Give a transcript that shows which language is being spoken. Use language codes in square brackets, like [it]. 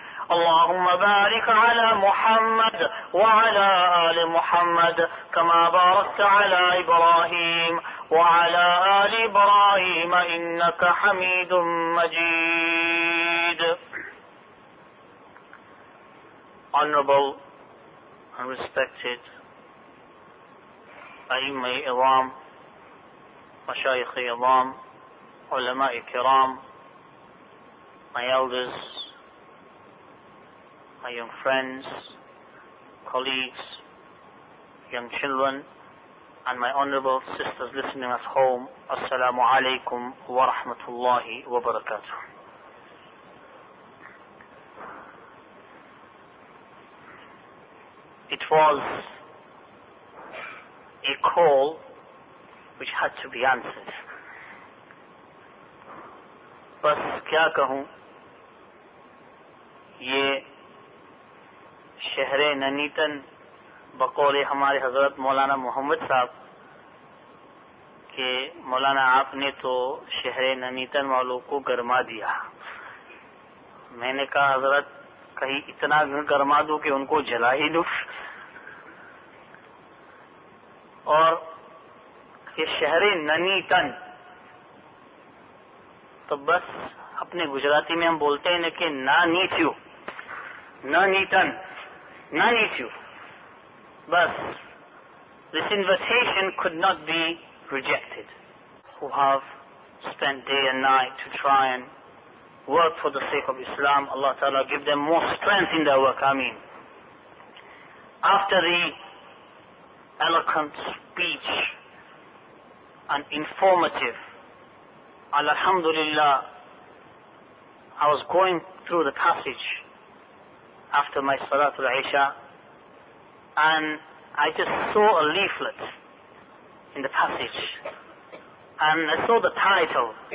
[ar] اللهم بارك على محمد وعلى آل محمد كما باركت على إبراهيم وعلى آل إبراهيم إنك حميد مجيد. [en] Honorable and respected [ar] أئمة الإعظام مشايخ الإعظام علماء الكرام, [en] my elders, my young friends, colleagues, young children, and my honorable sisters listening at home, Assalamu alaikum wa rahmatullahi wa barakatuh. It was a call which had to be answered. [ur] Bas kya kahun, ye شہر ننیتن بقول ہمارے حضرت مولانا محمد صاحب کہ مولانا آپ نے تو شہر ننیتن والوں کو گرما دیا. میں نے کہا حضرت کہیں اتنا گرما دوں کہ ان کو جلا ہی دوں. اور یہ شہر ننیتن تو بس اپنے گجراتی میں ہم بولتے ہیں کہ ننیتن Nanitu. [en] But this invitation could not be rejected. Who have spent day and night to try and work for the sake of Islam, Allah Ta'ala give them more strength in their work. Ameen. After the eloquent speech and informative, Alhamdulillah, I was going through the passage after my Salatul Isha, and I just saw a leaflet in the passage, and I saw the title.